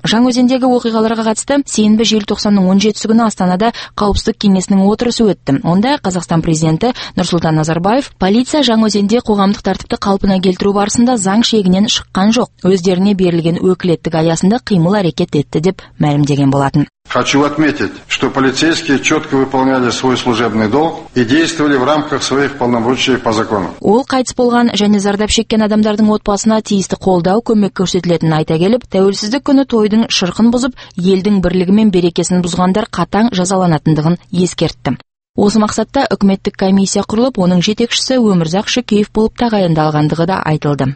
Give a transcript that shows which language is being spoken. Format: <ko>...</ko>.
<kk>Жаңаөзендегі оқиғаларға қатысты сенбі 1990-ның 17-сі күні Астанада қауіпсіздік кеңесінің отырысы өтті. Онда Қазақстан президенті Нұрсұлтан Назарбаев полиция Жаңаөзенде қоғамдық тәртіпті қалпына келтіру барысында заң шегінен шыққан жоқ. Өздеріне берілген өкілеттік аясында қимыл әрекет етті деп мәлімдеген болатын.</kk> <ru>Хочу отметить, что полицейские четко выполняли свой служебный долг и действовали в рамках своих полномочий по закону.</ru> <kk>Ол қайтыс болған және зардап шеккен адамдардың отбасына тиісті қолдау көмек көрсетілетінін айта келіп, тәуелсіздік күні тойдың шырқын бұзып, елдің бірлігі мен берекесін бұзғандар қатаң жазаланатындығын ескертті. Осы мақсатта үкіметтік комиссия құрылып, оның жетекшісі Өмірзақ Шүкеев болып тағайындалғандығы да айтылды.</kk>